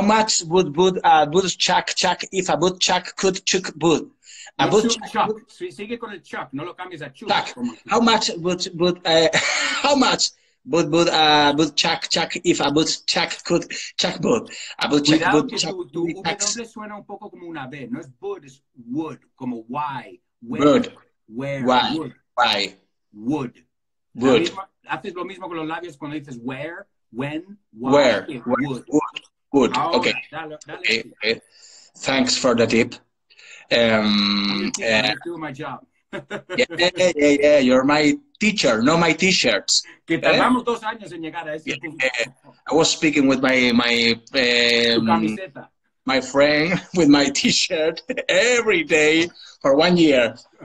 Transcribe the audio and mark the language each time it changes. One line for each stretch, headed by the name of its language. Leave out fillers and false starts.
English: much would a woodchuck chuck if a woodchuck could chuck wood? A woodchuck.
Spanish: Sigue con el chuck, no lo cambies a chuck.
English: How much would a woodchuck chuck if a woodchuck could chuck wood? A woodchuck would chuck wood.
Spanish: Cuidado que tu W suena un poco como una B. No es wood, es wood. Como why, where,
English: wood. Where, why, wood. Why. Wood. Wood.
Spanish: Misma, haces lo mismo con los labios cuando dices where, when,
English: why, where, where, wood. Wood. Wood.
Spanish: Ahora,
English: okay.
Spanish: Dale. Okay.
English: Thanks for the tip. I'm doing my job. Yeah, you're my teacher, no my t-shirts.
Spanish: Que tardamos 2 años en llegar a ese punto.
English: I was speaking with my friend with my t-shirt every day for 1 year.